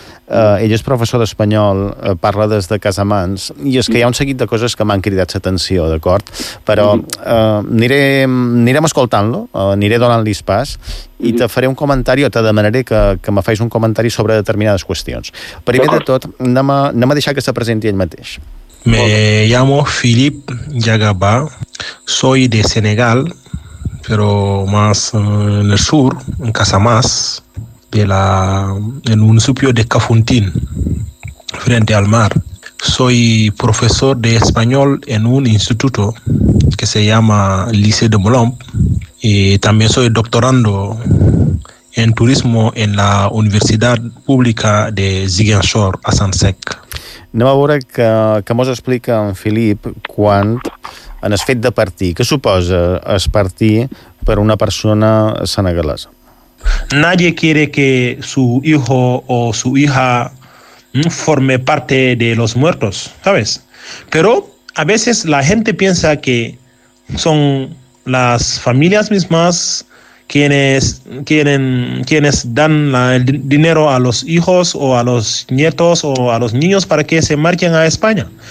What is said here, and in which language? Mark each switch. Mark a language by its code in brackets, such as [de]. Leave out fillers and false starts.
[ca] Ell és professor d'espanyol, parla des de Casamans, i és que hi ha un seguit de coses que m'han cridat l'atenció, d'acord? Però anirem escoltant-lo, aniré donant-li pas, i te faré un comentari o te demanaré que me fais un comentari sobre determinades qüestions. Primer de tot, anem a deixar que se presenti ell mateix. [es] Me llamo Felip Ndiagaba, soy de Senegal, pero más en el sur, en Casamás, en un municipio de Cafuntín, frente al mar. Soy profesor de español en un instituto que se llama Lycée de Molomb, y también soy doctorando en turismo en la Universidad Pública de Ziguinchor, a Sansec. [ca] Anem a veure que mos explica en Filip quan en es fet de partir. Què suposa es partir per una persona senegalesa? [es] Nadie quiere que su hijo o su hija forme parte de los muertos, ¿sabes? Pero a veces la gente piensa que son las familias mismas quienes dan el dinero a los hijos o a los nietos o a los niños para que se marchen a España.